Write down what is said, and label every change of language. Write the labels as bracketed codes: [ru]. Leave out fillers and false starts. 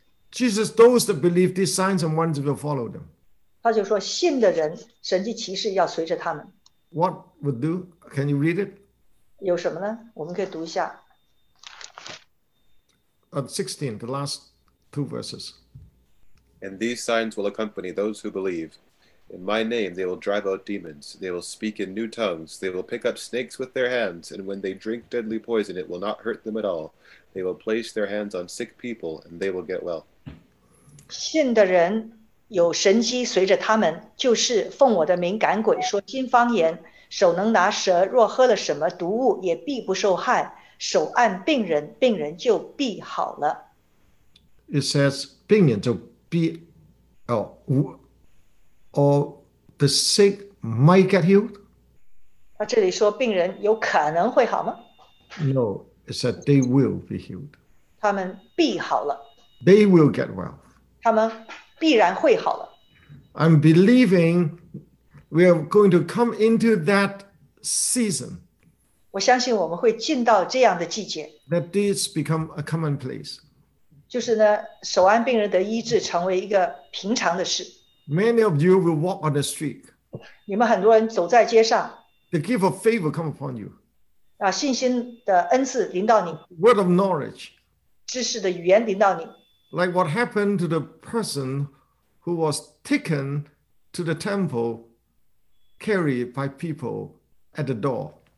[en] Jesus, those that believe these signs and wonders will follow them. [zh] 他就说, 信的人, 神迹奇事要随着他们。 [en] What would do? Can you read it? [zh] 有什么呢?我们可以读一下。 [en] 16, the last two verses. And these signs will accompany those who believe. In my name, they will drive out demons. They will speak in new tongues. They will pick up snakes with their hands. And when they drink deadly poison, it will not hurt them at all. They will place their hands on sick people, and they will get well. [zh] 信的人有神迹随着他们，就是奉我的名赶鬼，说新方言，手能拿蛇，若喝了什么毒物，也必不受害。手按病人，病人就必好了。It [en] says, [zh] 病人就必， [en] or the sick might get healed. [zh] 他这里说病人有可能会好吗？ [en] No, it said they will be healed. [zh] 他们必好了。 [en] They will get well. [zh] 他们必然会好了。 [en] I'm believing we are going to come into that season. [zh] 我相信我们会进到这样的季节。 [en] That this become a commonplace. [zh] 就是呢, 手按病人得医治成为一个平常的事。 [en] Many of you will walk on the street. [zh] 你们很多人走在街上。 [en] The gift of faith will come upon you. [zh] 啊, 信心的恩赐临到你。 [en] Word of knowledge. [zh] 知识的语言临到你。 [en] Like what happened to the person who was taken to the temple, carried by people at the door.